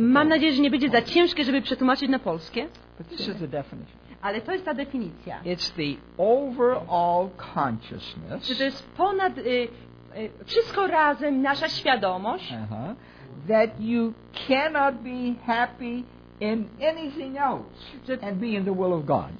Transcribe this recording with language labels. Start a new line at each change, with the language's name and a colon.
Polish: Mam nadzieję, że nie będzie za ciężkie, żeby przetłumaczyć na polskie.
English: But this is the definition.
Polish: Ale to jest ta definicja.
English: It's the overall consciousness.
Polish: Czy to jest ponad wszystko razem nasza świadomość.
English: That you cannot be happy in anything else and be in the will of God.